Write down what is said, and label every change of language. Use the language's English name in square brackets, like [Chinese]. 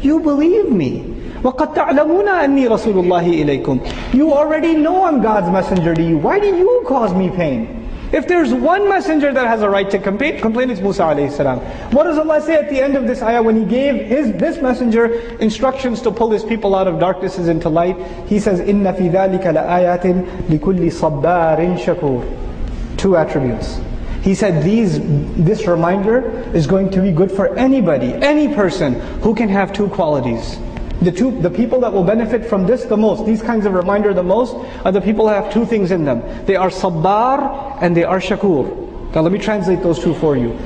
[English] You believe me. [Arabic] وَقَدْ تَعْلَمُونَ أَنِّي رَسُولُ اللَّهِ إِلَيْكُمْ, [English] you already know I'm God's messenger to you. Why do you cause me pain? If there's one messenger that has a right to complain, it's Musa alayhi salam. What does Allah say at the end of this ayah when He gave this messenger instructions to pull His people out of darknesses into light? He says, [Arabic] إِنَّ فِي ذَلِكَ لَآيَاتٍ لِكُلِّ صَبَّارٍ شَكُورٍ. [English] Two attributes. He said, this reminder is going to be good for anybody, any person who can have two qualities. The people that will benefit from this the most, these kinds of reminder the most, are the people who have two things in them. They are sabbar and they are shakur. Now let me translate those two for you.